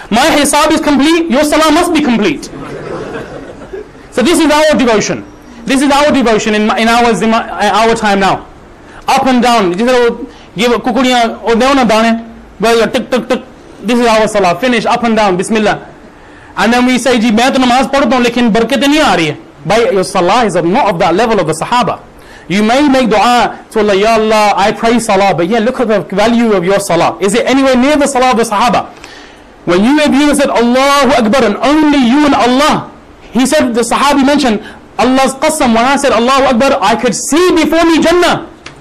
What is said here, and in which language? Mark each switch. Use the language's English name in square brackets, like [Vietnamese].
[English] My hisab is complete, your salah must be complete. So this is our devotion. This is our devotion in our time now. Up and down. Give a kukuriya, or they want to down it. Well, tick, tick, tick. This is our salah. Finish, up and down, bismillah. And then we say, [Urdu] جی، میں تو نماز پڑھتا ہوں، لیکن برکت نہیں آ رہی ہے۔ [English] By your salah is not of that level of the sahaba. You may make dua to Allah, ya Allah, I pray salah, but yeah, look at the value of your salah. Is it anywhere near the salah of the sahaba? When you made you said, Allahu Akbar, and only you and Allah. He said, the sahabi mentioned, Allah's qasam, when I said, Allahu Akbar, I could see before me Jannah.